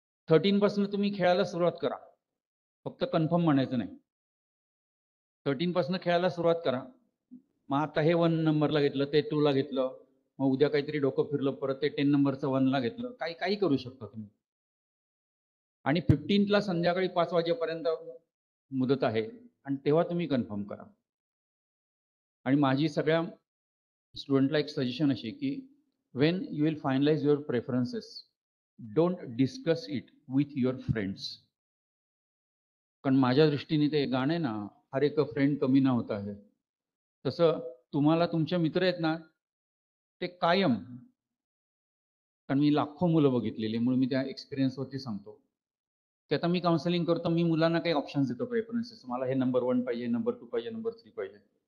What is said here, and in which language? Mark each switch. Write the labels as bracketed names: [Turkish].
[Marathi] 13 तुम्ही खेळायला सुरुवात करा, फक्त कन्फर्म म्हणायचं नाही, 13 खेळायला सुरुवात करा, मग आता हे 1 घेतलं ते 2 घेतलं, मग उद्या काहीतरी डोकं फिरलं परत ते 10 घेतलं, काही काही करू शकता तुम्ही, आणि 15 संध्याकाळी 5 मुदत आहे आणि तेव्हा तुम्ही कन्फर्म करा. आणि माझी सगळ्या स्टुडंटला एक सजेशन अशी की [English] When you will finalize your preferences, don't discuss it with your friends. [Marathi] कारण माझ्या दृष्टीने ते गाणं आहे ना, [Hindi] हर एक फ्रेंड कमी ना होता है. [Marathi] तसं तुम्हाला तुमचे मित्र आहेत ना, ते कायम. कारण मी लाखो मुलं बघितलेली, म्हणून मी त्या एक्सपिरियन्सवरती सांगतो. ते आता मी काउन्सिलिंग करतो, मी मुलांना काही ऑप्शन्स देतो प्रेफरन्सेस, मला हे नंबर वन पाहिजे, नंबर टू पाहिजे, नंबर थ्री पाहिजे.